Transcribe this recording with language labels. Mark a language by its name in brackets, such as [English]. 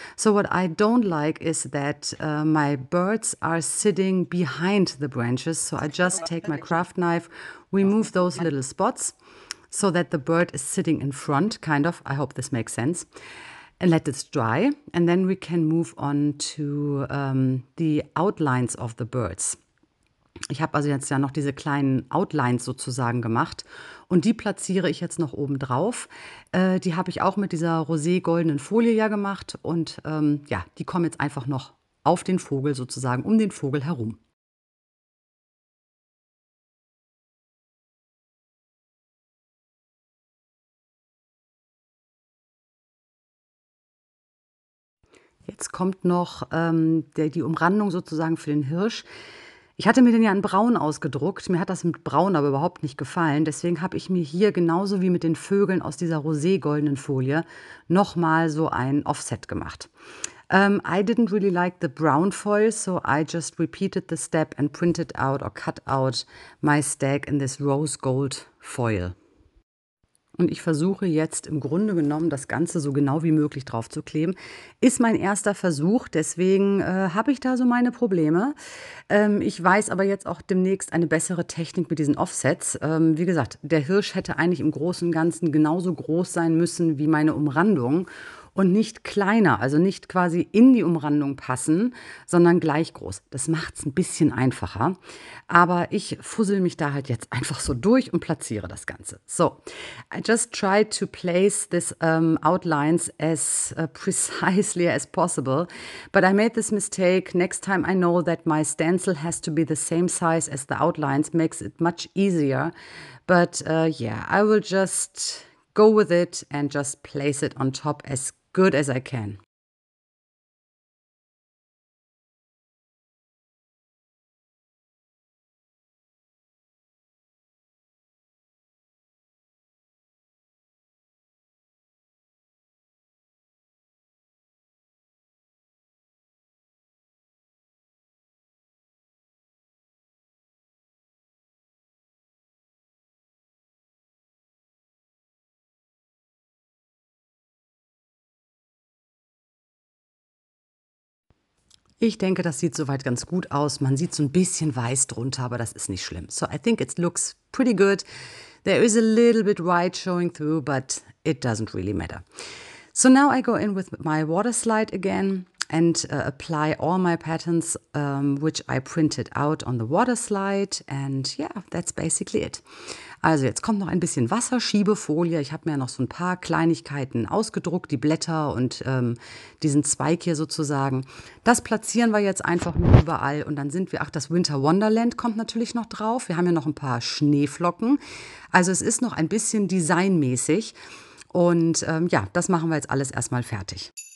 [English] So what I don't like is that my birds are sitting behind the branches. So I just take my craft knife, remove those little spots so that the bird is sitting in front, kind of. I hope this makes sense. And let it dry, and then we can move on to the outlines of the birds. [German] Ich habe also jetzt ja noch diese kleinen Outlines sozusagen gemacht und die platziere ich jetzt noch oben drauf. Die habe ich auch mit dieser rosé-goldenen Folie ja gemacht und ja, die kommen jetzt einfach noch auf den Vogel sozusagen, um den Vogel herum. Jetzt kommt noch die Umrandung sozusagen für den Hirsch. Ich hatte mir den ja in Braun ausgedruckt. Mir hat das mit Braun aber überhaupt nicht gefallen. Deswegen habe ich mir hier genauso wie mit den Vögeln aus dieser rosé-goldenen Folie nochmal so ein Offset gemacht. [English] I didn't really like the brown foil, so I just repeated the step and printed out or cut out my stag in this rose gold foil. [German] Und ich versuche jetzt im Grunde genommen das Ganze so genau wie möglich drauf zu kleben. Ist mein erster Versuch, deswegen habe ich da so meine Probleme. Ich weiß aber jetzt auch demnächst eine bessere Technik mit diesen Offsets. Wie gesagt, der Hirsch hätte eigentlich im Großen und Ganzen genauso groß sein müssen wie meine Umrandung und nicht kleiner, also nicht quasi in die Umrandung passen, sondern gleich groß. Das macht es ein bisschen einfacher. Aber ich fussel mich da halt jetzt einfach so durch und platziere das Ganze. [English] So, I just try to place this outlines as precisely as possible. But I made this mistake. Next time I know that my stencil has to be the same size as the outlines. Makes it much easier. But yeah, I will just go with it and just place it on top as good as I can. [German] Ich denke, das sieht soweit ganz gut aus. Man sieht so ein bisschen weiß drunter, aber das ist nicht schlimm. [English] So I think it looks pretty good. There is a little bit white showing through, but it doesn't really matter. So now I go in with my water slide again and apply all my patterns, which I printed out on the water slide. And yeah, that's basically it. [German] Also jetzt kommt noch ein bisschen Wasserschiebefolie. Ich habe mir noch so ein paar Kleinigkeiten ausgedruckt, die Blätter und diesen Zweig hier sozusagen. Das platzieren wir jetzt einfach nur überall und dann sind wir, ach, das Winter Wonderland kommt natürlich noch drauf. Wir haben ja noch ein paar Schneeflocken. Also es ist noch ein bisschen designmäßig und ja, das machen wir jetzt alles erstmal fertig.